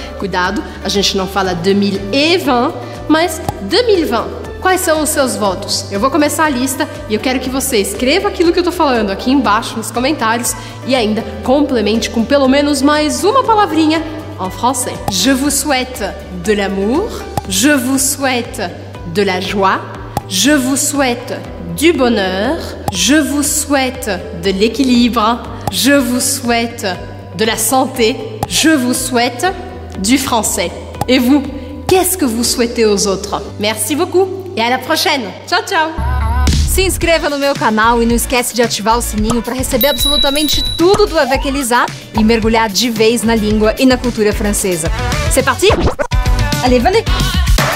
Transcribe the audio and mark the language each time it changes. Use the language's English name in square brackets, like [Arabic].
[Portuguese] Cuidado, a gente não fala 2020, mas 2020. Quais são os seus votos? Eu vou começar a lista e eu quero que você escreva aquilo que eu tô falando aqui embaixo nos comentários e ainda complemente com pelo menos mais uma palavrinha [French] en français. Je vous souhaite de l'amour. Je vous souhaite de la joie, je vous souhaite du bonheur, je vous souhaite de l'équilibre, je vous souhaite de la santé, je vous souhaite du français. Et vous, qu'est-ce que vous souhaitez aux autres? Merci beaucoup et à la prochaine. [Italian] Ciao, ciao! [Portuguese] Se inscreva no meu canal e não esquece de ativar o sininho para receber absolutamente tudo do Avec Elisa e mergulhar de vez na língua e na cultura francesa. [French] C'est parti? Allez, venez!